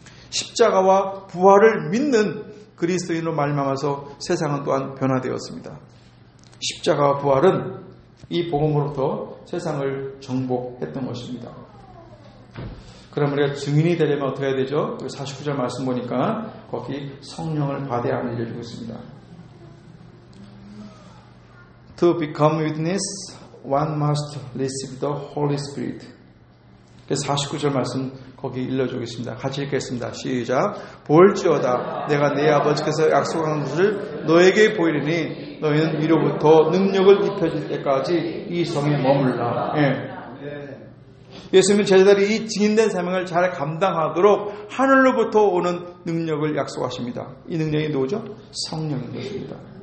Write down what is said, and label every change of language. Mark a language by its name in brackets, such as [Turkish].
[Korean] 십자가와 부활을 믿는 그리스도인으로 말미암아서 세상은 또한 변화되었습니다. 십자가와 부활은 이 복음으로부터 세상을 정복했던 것입니다. 그럼 우리가 증인이 되려면 어떻게 해야 되죠? 49절 말씀 보니까 거기 성령을 받아야 함을 알려주고 있습니다. [English] To become witness, one must receive the Holy Spirit. [Korean] 49절 말씀 거기 읽어주겠습니다. 같이 읽겠습니다. 시작. 볼지어다. 내가 네 아버지께서 약속한 것을 너에게 보이리니 너희는 위로부터 능력을 입혀줄 때까지 이 성에 머물라. 예. 예수님은 제자들이 이 증인된 사명을 잘 감당하도록 하늘로부터 오는 능력을 약속하십니다. 이 능력이 누구죠? 성령인 것입니다.